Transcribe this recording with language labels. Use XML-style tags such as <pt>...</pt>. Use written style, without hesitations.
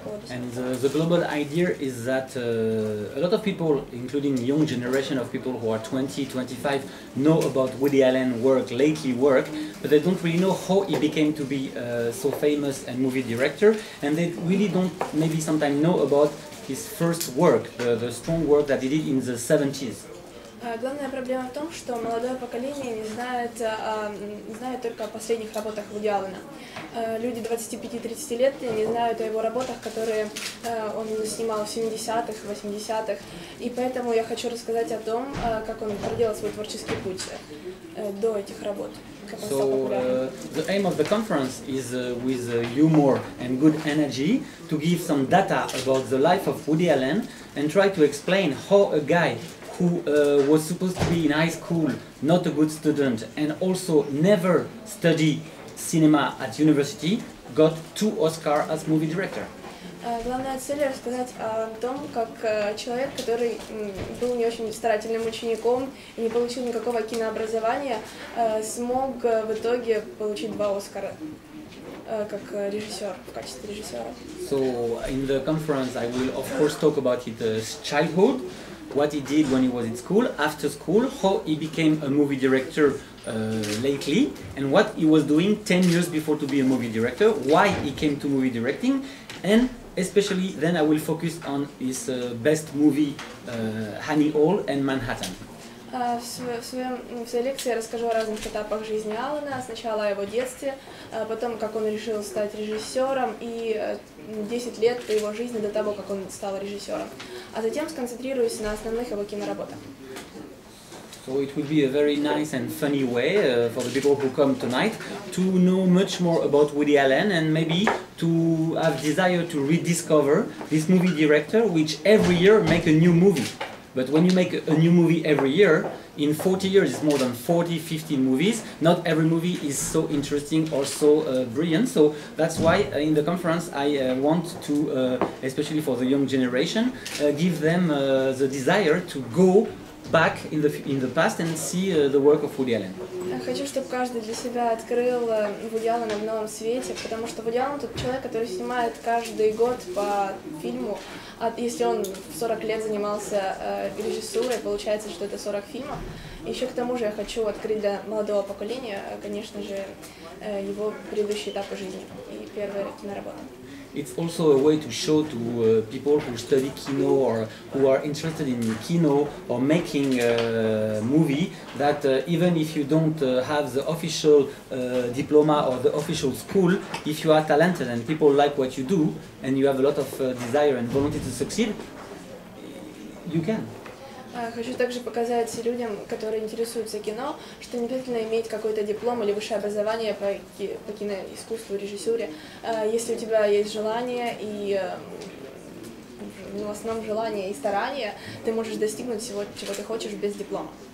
<en>And the global idea is that a lot of people, including young generation of people who are 20, 25, know about Woody Allen's work, lately work, but they don't really know how he became to be so famous and movie director, and they really don't maybe sometimes know about his first work, the strong work that he did in the 70s.</en> <ru>Главная проблема в том, что молодое поколение не знает только о последних работах Вуди Аллена. Люди 25-30 лет не знают о его работах, которые он снимал в 70-х, 80-х. И поэтому я хочу рассказать о том, как он проделал свой творческий путь до этих работ.</ru> <en>So the aim of the conference is with humor and good energy to give some data about the life of Woody Allen and try to explain how a guy who was supposed to be in high school, not a good student, and also never studied cinema at university, got two Oscars as movie director.</en> <ru>Главная цель рассказать о том, как человек, который был не очень старательным учеником и не получил никакого кинообразования, смог в итоге получить два Оскара. Как режиссер, в качестве режиссера.</ru> <en>So in the conference I will of course talk about his childhood, what he did when he was in school, after school, how he became a movie director lately, and what he was doing 10 years before to be a movie director, why he came to movie directing, and especially then I will focus on his best movie, Honey Hall and Manhattan.</en> <ru>В своей лекции я расскажу о разных этапах жизни Аллена. Сначала о его детстве, потом, как он решил стать режиссером, и 10 лет по его жизни до того, как он стал режиссером. А затем сконцентрируюсь на основных его киноработах.</ru> <en>So it would be a very nice and funny way for the people who come tonight to know much more about Woody Allen and maybe to have desire to rediscover this movie director which every year make a new movie. But when you make a new movie every year, in 40 years it's more than 40, 50 movies. Not every movie is so interesting or so brilliant. So that's why in the conference I want to, especially for the young generation, give them the desire to go back in the past and see the work of Woody Allen.</en> <ru>Хочу, чтобы каждый для себя открыл Вуди Аллена в новом свете, потому что Вуди Аллен тот человек, который снимает каждый год по фильму. А если он 40 лет занимался режиссурой, получается, что это 40 фильмов. Еще к тому же я хочу открыть для молодого поколения, конечно же, его предыдущие этапы жизни и первые киноработы.</ru> <en>It's also a way to show to people who study kino or who are interested in kino or making a movie that even if you don't have the official diploma or the official school, if you are talented and people like what you do and you have a lot of desire and volunteer to succeed, you can.</en> <ru>Хочу также показать людям, которые интересуются кино, что не обязательно иметь какой-то диплом или высшее образование по киноискусству, режиссуре. Если у тебя есть желание и в основном желание и старание, ты можешь достигнуть всего, чего ты хочешь, без диплома.</ru>